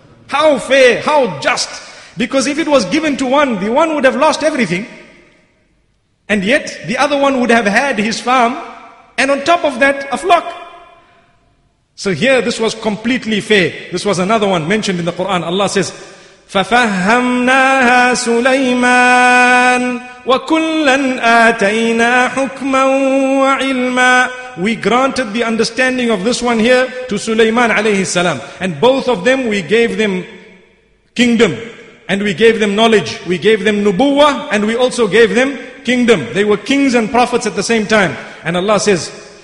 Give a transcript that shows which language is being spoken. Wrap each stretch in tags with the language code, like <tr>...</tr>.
<en>How fair, how just. Because if it was given to one, the one would have lost everything. And yet, the other one would have had his farm, and on top of that, a flock. So here, this was completely fair. This was another one mentioned in the Quran. Allah says,</en> <ar>ففهمناها سليمان وكلا آتينا حكما وعلما.</ar> <en>We granted the understanding of this one here to Sulaiman alayhi salam, and both of them we gave them kingdom, and we gave them knowledge, we gave them nubuwa, and we also gave them kingdom. They were kings and prophets at the same time. And Allah says,</en>